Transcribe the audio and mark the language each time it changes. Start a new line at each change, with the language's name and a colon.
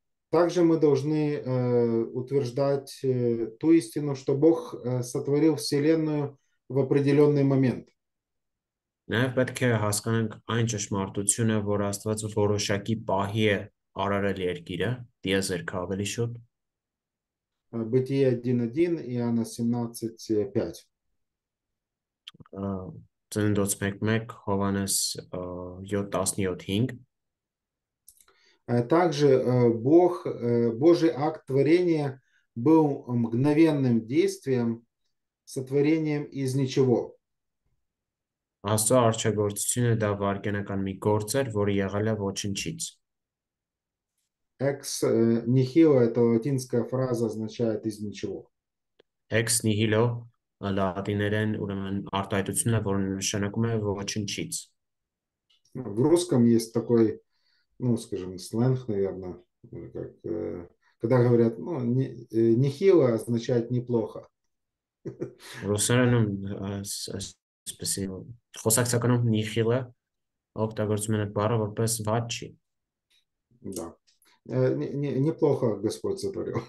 Russian: Также мы должны утверждать ту истину, что Бог сотворил Вселенную в определенный момент.
Armenian: Նաև պետք է հասկանանք այն ճշմարտությունը, որ Աստված որոշակի պահի է արարել երկիրը, դիեզերքը ավելի շուտ։
Russian: Бытие 1:1, Иоанна 17:5.
Armenian: Ծննդոց 1:1, Հովհաննես 7:17-5.
Russian: Также Бог, Божий акт творения был мгновенным действием, сотворением из ничего.
Armenian: Աստծո արչագործությունը դա վայրկենական մի գործ էր, որը եղել է ոչնչից։
Russian: Ex nihilo – это латинская фраза, означает «из ничего».
Armenian: Ex nihilo – լատիներեն ուրեմն արտահայտությունը, որը նշանակում է ոչնչից։
Russian: В русском есть такой, ну, скажем, сленг, наверное, как, когда говорят, ну, нехило означает неплохо.
Armenian: Ռուսերենում սպասիվ խոսակցականում նիխիլը օգտագործում են բառը որպես վաճի։
Russian: Да. Неплохо Господь сотворил.